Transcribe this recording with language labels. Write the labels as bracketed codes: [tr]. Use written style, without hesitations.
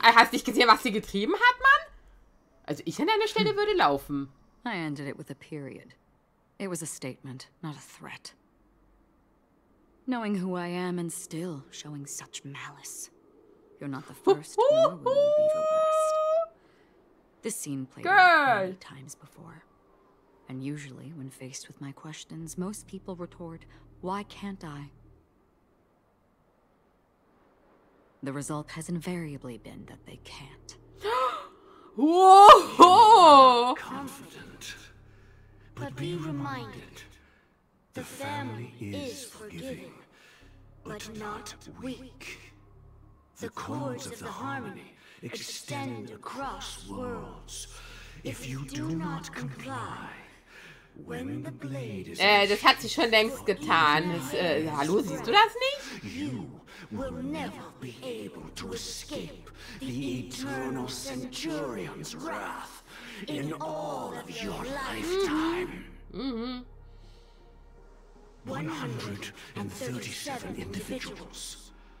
[de] Hast du nicht gesehen, was sie getrieben hat, Mann? Also ich an deiner Stelle würde laufen. [en] I ended it with a period. It was a statement, not a threat. Knowing who I am and still showing such malice. You're not the first, nor will you be the last. This scene played out many times before. And usually, when faced with my questions, most people retort, why can't I? The result has invariably been that they can't. Whoa! Confident. But be reminded, the family is forgiving, but not weak. The cords of the harmony extend across worlds. If you do not comply, when the blade is... [de] Das hat sie schon längst getan. Hallo, siehst du das nicht? [en] You will never be able to escape the eternal centurion's wrath in all of your lifetime. Mm-hmm. 137 individuals.